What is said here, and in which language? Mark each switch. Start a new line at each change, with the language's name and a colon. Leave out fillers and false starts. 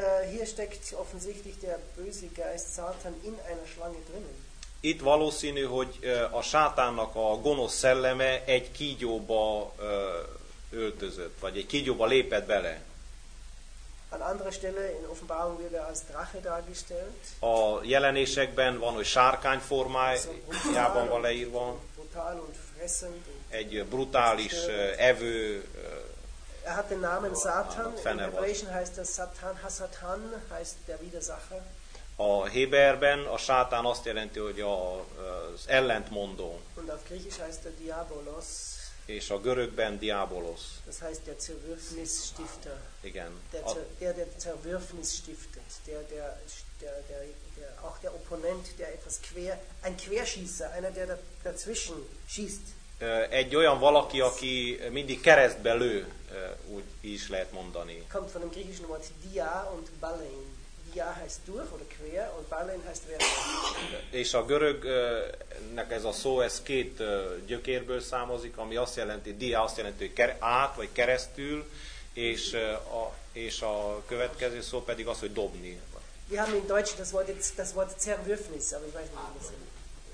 German: Hier steckt offensichtlich der böse Geist Satan in einer Schlange drinnen.
Hungarian: Itt valószínű, hogy a sátánnak a gonosz szelleme egy kígyóba öltözött, vagy egy kígyóba lépett bele.
German: An anderer Stelle in Offenbarung wird er als Drache dargestellt.
Hungarian: A jelenésekben van, hogy sárkány formájában van leírva.
German: Brutal und fressend.
Hungarian: Egy brutális evő.
German: Er hat den Namen Satan. In Hebräischen heißt das Satan, Hasatan heißt der Widersacher.
Hungarian: A héberben a sátán azt jelenti, hogy az ellentmondó.
German: Und auf Griechisch heißt der Diabolos.
Hungarian: És a görögben Diabolos.
German: Das heißt der Zerwürfnisstifter.
Hungarian: Igen.
German: Der Zerwürfnis stiftet. Der auch der Opponent, der etwas quer, ein Querschießer, einer der dazwischen schießt.
Hungarian: Egy olyan valaki, aki mindig keresztbe lő, úgy is lehet mondani.
German: Kommt von dem griechischen Wort dia und ballein. Dia heißt durch oder quer und ballein heißt wer.
Hungarian: És a görögnek ez a szó, ez két gyökérből számozik, ami azt jelenti, dia azt jelenti, hogy át vagy keresztül, és a következő szó pedig az, hogy dobni.
German: Wir haben in Deutsch das Wort Zerwürfnis, aber ich weiß nicht, was es ist.